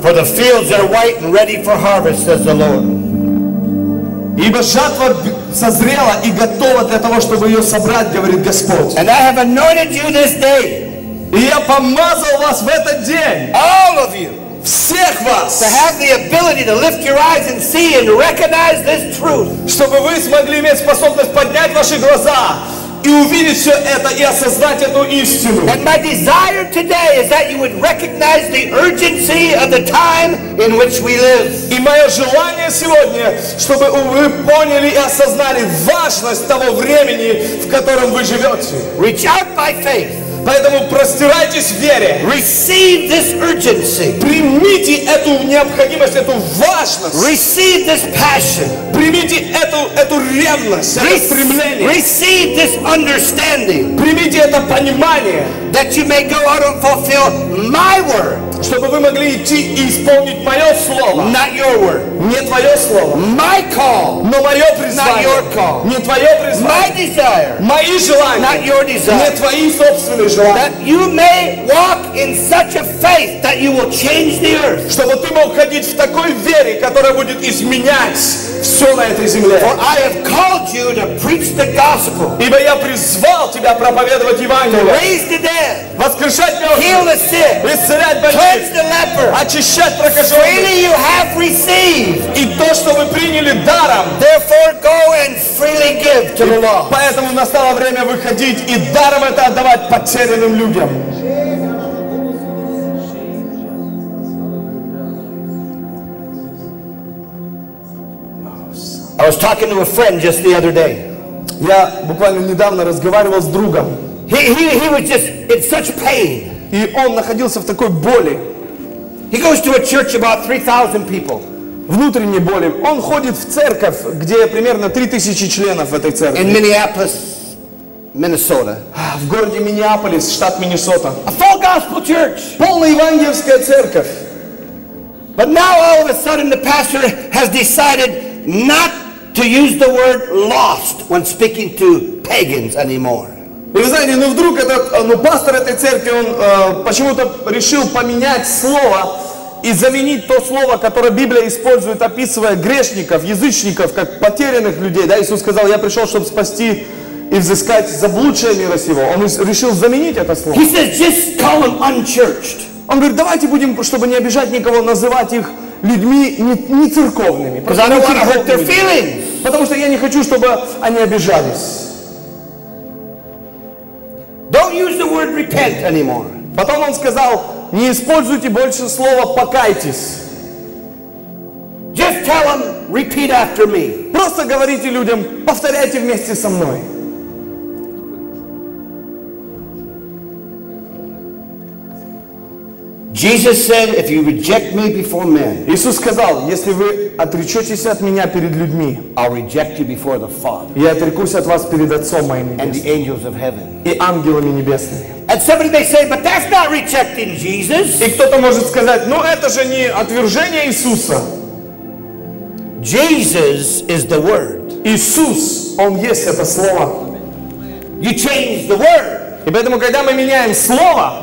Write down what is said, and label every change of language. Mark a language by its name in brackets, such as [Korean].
[English] For the fields are white and ready for harvest, says the Lord. [Russian] Ибо жатва созрела и готова для того, чтобы ее собрать, говорит Господь. [English] And I have anointed you this day. [Russian] И я помазал вас в этот день. [English] All of you. [Russian] Всех вас. [English] To have the ability to lift your eyes and see and recognize this truth. [Russian] Чтобы вы смогли иметь способность поднять ваши глаза и увидеть все это и осознать эту истину. [English] And my desire today is that you would recognize the urgency of the time in which we live. [Russian] И мое желание сегодня, чтобы вы поняли и осознали важность того времени, в котором вы живете. [English] Reach out by faith. [Russian] Поэтому простирайтесь в вере. [English] Receive this urgency. [Russian] Примите эту необходимость, эту важность. [English] Receive this passion. [Russian] Примите эту ревность, это стремление. [English] Receive this understanding. [Russian] Примите это понимание. [English] That you may go out and fulfill my word. [Russian] Чтобы вы могли идти и исполнить мое слово. [English] Not your word. [Russian] Не твое слово. [English] My call. [Russian] Но мое призвание. [English] Not your call. [Russian] Не твое призвание. [English] My desire. [Russian] Мои желания. [English] Not your desire. [Russian] Не твои собственные желания. [English] That you may walk in such a faith that you will change the earth. [Russian] Чтобы ты мог ходить в такой вере, которая будет изменять все на этой земле. [English] For I have called you to preach the gospel. [Russian] Ибо я призвал тебя проповедовать Евангелие. [English] To raise the dead. [Russian] Воскрешать мертвых. [English] Heal the sick. [Russian] Исцелять больных. Очищать прокаженных. [English] Freely you have received. [Russian] И то, что вы приняли даром. [English] Therefore go and freely give to the lost. [Russian] Поэтому настало время выходить и даром это отдавать потерянным людям. [English] I was talking to a friend just the other day. [Russian] Я буквально недавно разговаривал с другом. [English] He was just in such pain. [Russian] И он находился в такой боли. [English] He goes to a church about 3,000 people. [Russian] Внутренней боли. Он ходит в церковь, где примерно 3000 членов в этой церкви. [English] In Minneapolis, Minnesota. [Russian] В городе Миннеаполис, штат Миннесота. [English] A full gospel church. [Russian] Полная евангельская церковь. [English] But now all of a sudden the pastor has decided not to use the word lost when speaking to pagans anymore. [Russian] И вы знаете, пастор этой церкви, он почему-то решил поменять слово и заменить то слово, которое Библия использует, описывая грешников, язычников, как потерянных людей. Да, Иисус сказал, я пришел, чтобы спасти и взыскать заблудшее мира сего. Он решил заменить это слово. [English] He says, just call them unchurched. [Russian] Он говорит, давайте будем, чтобы не обижать никого, называть их людьми не церковными. Потому что я не хочу, чтобы они обижались. [English] Don't use the word repent anymore. [Russian] Потом он сказал, не используйте больше слова покайтесь. [English] Just tell them, repeat after me. [Russian] Просто говорите людям, повторяйте вместе со мной. [English] Jesus said, if you reject me before men, [Russian] Иисус сказал, если вы отречетесь от меня перед людьми, [English] I'll reject you before the Father. [Russian] Я отрекусь от вас перед Отцом моим [English] and the angels of heaven. [Russian] И ангелами небесными. [English] And somebody may say, but that's not rejecting Jesus. [Russian] И кто-то может сказать, но это же не отвержение Иисуса. [English] Jesus is the word. [Russian] Иисус, он есть это слово. [English] You change the word. [Russian] И поэтому, когда мы меняем слово,